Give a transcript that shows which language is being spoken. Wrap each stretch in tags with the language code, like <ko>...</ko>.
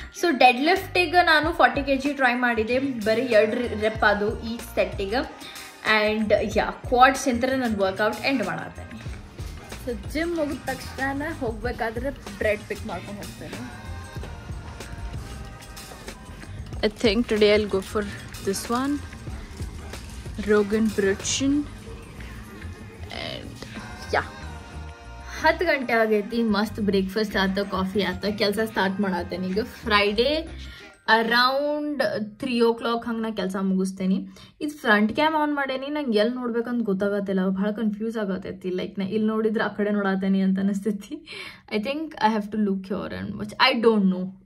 <kn>So dead ಲಿಫ್ಟಿಗೆ ನಾನು 40 kg try ಮಾಡಿದೆ, ಬರೀ 2 reps ಅದು ಈ ಸೆಟ್ಟಿಗೆ ಆ್ಯಂಡ್ ಯಾ ಕ್ವಾಡ್ಸ್ ಅಂತಾರೆ ನಾನು ವರ್ಕೌಟ್ ಎಂಡ್ ಮಾಡತ್ತೇನೆ. ಸೊ ಜಿಮ್ ಮುಗಿದ ತಕ್ಷಣ ಹೋಗಬೇಕಾದ್ರೆ ಬ್ರೆಡ್ ಪಿಕ್ ಮಾಡ್ಕೊಂಡು ಹೋಗ್ತೇನೆ.</kn> <en>I think today I'll go for this one, Rogan Brutchen, and yeah.</en> <kn>10 ಗಂಟೆ ಆಗೈತಿ, ಮಸ್ತ್ ಬ್ರೇಕ್ಫಾಸ್ಟ್ ಆಯ್ತು, ಕಾಫಿ ಆಯ್ತು, ಕೆಲಸ ಸ್ಟಾರ್ಟ್ ಮಾಡತ್ತೇನೆ ಈಗ. ಫ್ರೈಡೇ ಅರೌಂಡ್ 3:00 ಹಂಗೆ ನಾನು ಕೆಲಸ ಮುಗಿಸ್ತೇನೆ. ಇದು ಫ್ರಂಟ್ ಕ್ಯಾಮ್ ಆನ್ ಮಾಡೇನಿ, ನಂಗೆ ಎಲ್ಲಿ ನೋಡ್ಬೇಕಂತ ಗೊತ್ತಾಗತ್ತಿಲ್ಲ, ಭಾಳ ಕನ್ಫ್ಯೂಸ್ ಆಗತ್ತೈತಿ. ಲೈಕ್ ನಾ ಇಲ್ಲಿ ನೋಡಿದ್ರೆ ಆ ಕಡೆ ನೋಡತ್ತೇನೆ ಅಂತ ಅನಿಸ್ತೈತಿ.</kn> <en>I think I have to look your and watch, I don't know.</en>